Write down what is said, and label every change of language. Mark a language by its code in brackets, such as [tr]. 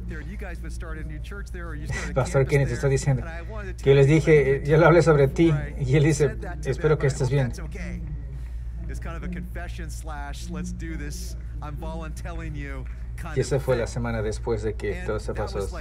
[en] there, you guys would start a new church there, or you [es] Pastor Kenny te está diciendo que les dije, yo le hablé sobre ti, y él dice, espero que estés bien. [en] It's kind of a confession slash, let's do this, I'm voluntelling you. [es] Y esa fue la semana después de que todo se pasó.